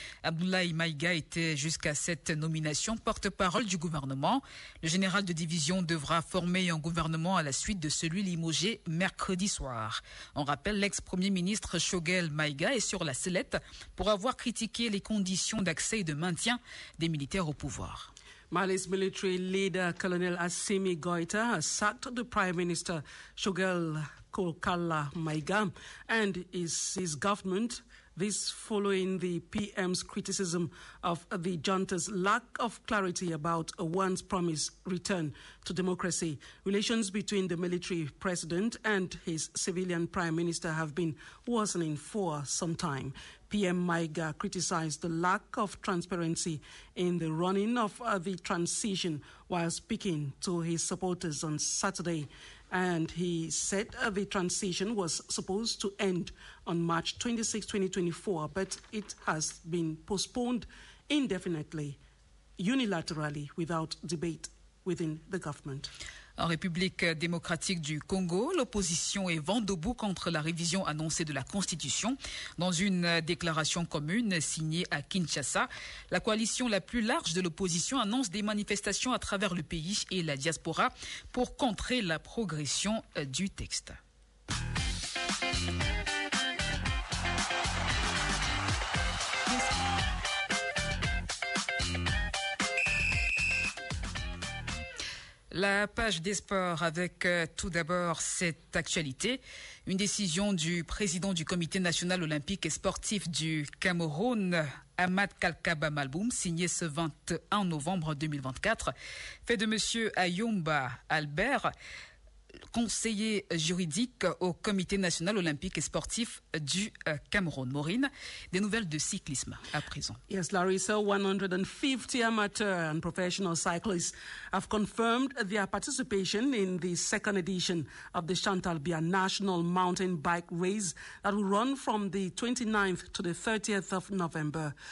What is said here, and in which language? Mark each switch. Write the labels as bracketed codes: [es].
[fr] Abdoulaye Maïga était jusqu'à cette nomination porte-parole du gouvernement. Le général de division devra former un gouvernement à la suite de celui limogé mercredi soir. On rappelle, l'ex-premier ministre Choguel Maïga est sur la sellette pour avoir critiqué les conditions d'accès et de maintien des militaires au pouvoir. [en] Mali's military leader, Colonel Assimi Goïta, has sacked the Prime Minister, Choguel Kokala Maïga, and his government. This following the PM's criticism of the junta's lack of clarity about a once-promised return to democracy. Relations between the military president and his civilian prime minister have been worsening for some time. PM Maïga criticized the lack of transparency in the running of the transition while speaking to his supporters on Saturday. And he said the transition was supposed to end on March 26, 2024, but it has been postponed indefinitely, unilaterally, without debate within the government. [fr] En République démocratique du Congo, l'opposition est vent debout contre la révision annoncée de la Constitution. Dans une déclaration commune signée à Kinshasa, la coalition la plus large de l'opposition annonce des manifestations à travers le pays et la diaspora pour contrer la progression du texte. La page des sports avec tout d'abord cette actualité. Une décision du président du Comité national olympique et sportif du Cameroun, Ahmad Kalkaba Malboum, signé ce 21 novembre 2024, fait de M. Ayumba Albert conseiller juridique au Comité national olympique et sportif du Cameroun. Maureen, des nouvelles de cyclisme à présent. [en] Yes, Larissa, 150 amateur and professional cyclists have confirmed their participation in the second edition of the Chantal Biya National Mountain Bike Race that will run from the 29th to the 30th of November.